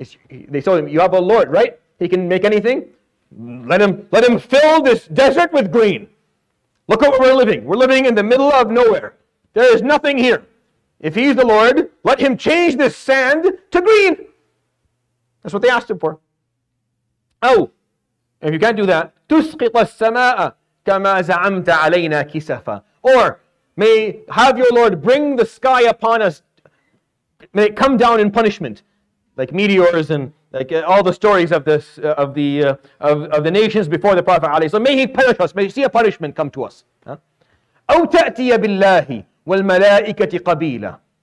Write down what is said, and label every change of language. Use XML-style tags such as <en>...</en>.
<en>They told him, you have a Lord, right? He can make anything. Let him fill this desert with green. Look at where we're living. We're living in the middle of nowhere. There is nothing here. If he's the Lord, let him change this sand to green. That's what they asked him for. If you can't do that,</en> <ar>تسقط السماء كما زعمت علينا كسفا.</ar> <en>Or may have your Lord bring the sky upon us. May it come down in punishment. Like meteors and like all the stories of this of the nations before the Prophet ﷺ. So may he punish us, may he see a punishment come to us.</en> <ar>أَوْ تَأْتِيَ بِاللَّهِ وَالْمَلَائِكَةِ قَبِيلًا.</ar>